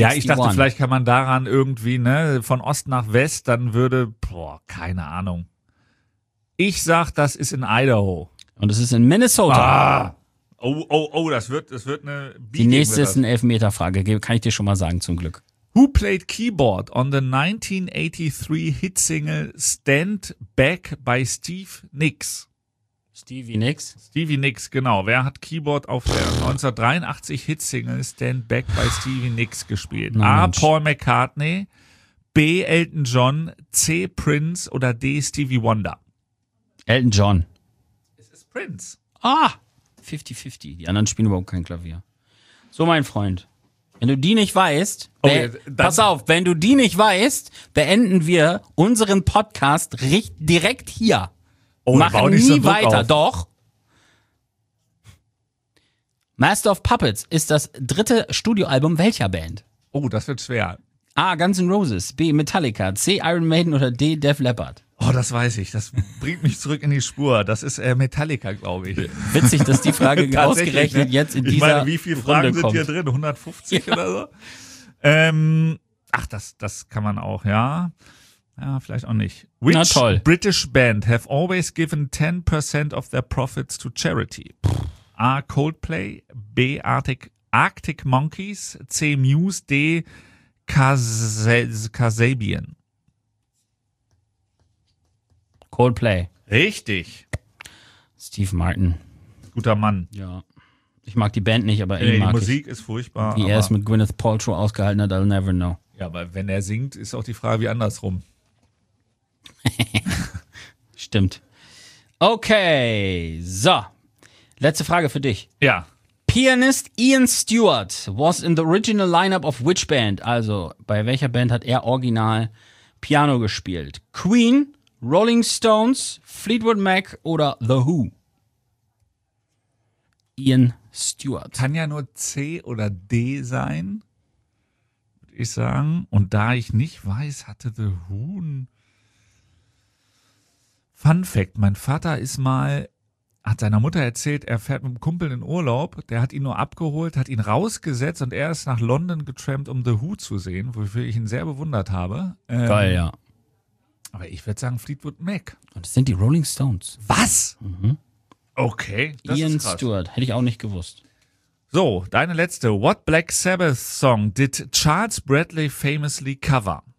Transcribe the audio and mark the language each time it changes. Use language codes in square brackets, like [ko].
[de] Ja, ich dachte, vielleicht kann man daran irgendwie, ne, von Ost nach West, dann würde, boah, keine Ahnung. Ich sag, das ist in Idaho. Und es ist in Minnesota. Ah. Oh, das wird eine [en] Beating. [de] Die nächste ist eine Elfmeterfrage, kann ich dir schon mal sagen, zum Glück. [en] Who played keyboard on the 1983 hit single Stand Back by Steve Nicks? [de] Stevie Nicks? Stevie Nicks, genau. Wer hat Keyboard auf der 1983 [en] hit single [de] Stand Back by Stevie Nicks gespielt? Na, A. Mensch. Paul McCartney, B. Elton John, C. Prince oder D. Stevie Wonder? Elton John. Es ist Prince. Ah! 50-50. Die anderen spielen überhaupt kein Klavier. So, mein Freund. Wenn du die nicht weißt, pass auf, wenn du die nicht weißt, beenden wir unseren Podcast direkt hier. Oh, machen nie so weiter, auf. Doch. Master of Puppets ist das dritte Studioalbum welcher Band? Oh, das wird schwer. A, Guns N' Roses, B, Metallica, C, Iron Maiden oder D, Def Leppard? Oh, das weiß ich. Das bringt mich zurück in die Spur. Das ist Metallica, glaube ich. Witzig, dass die Frage ausgerechnet jetzt in dieser Runde kommt. Ich meine, wie viele Fragen sind hier drin? 150 oder so? Das kann man auch, ja. Ja, vielleicht auch nicht. [en] Which [de] Na toll. [en] British band have always given 10% of their profits to charity? A, Coldplay, B, Arctic Monkeys, C, Muse, D, Kasabian. [de] Coldplay. Richtig. Steve Martin. Guter Mann. Ja. Ich mag die Band nicht, aber ihn mag ich. Die Musik ist furchtbar. Wie er es mit Gwyneth Paltrow ausgehalten hat, [en] I'll never know. [de] Ja, aber wenn er singt, ist auch die Frage wie andersrum. Stimmt. Okay, so. Letzte Frage für dich. Ja. [en] Pianist Ian Stewart was in the original lineup of which band? [de] Also, bei welcher Band hat er original Piano gespielt? Queen, Rolling Stones, Fleetwood Mac oder The Who? Ian Stewart. Kann ja nur C oder D sein. würde ich sagen. Und da ich nicht weiß, hatte The Who ein Fun Fact. Mein Vater ist mal, hat seiner Mutter erzählt, er fährt mit einem Kumpel in Urlaub. Der hat ihn nur abgeholt, hat ihn rausgesetzt und er ist nach London getrampt, um The Who zu sehen, wofür ich ihn sehr bewundert habe. Geil, ja. Aber ich würde sagen Fleetwood Mac. Und es sind die Rolling Stones. Was? Mhm. Okay, das Ian ist krass. Stewart, hätte ich auch nicht gewusst. So, deine letzte. [en] What Black Sabbath Song did Charles Bradley famously cover?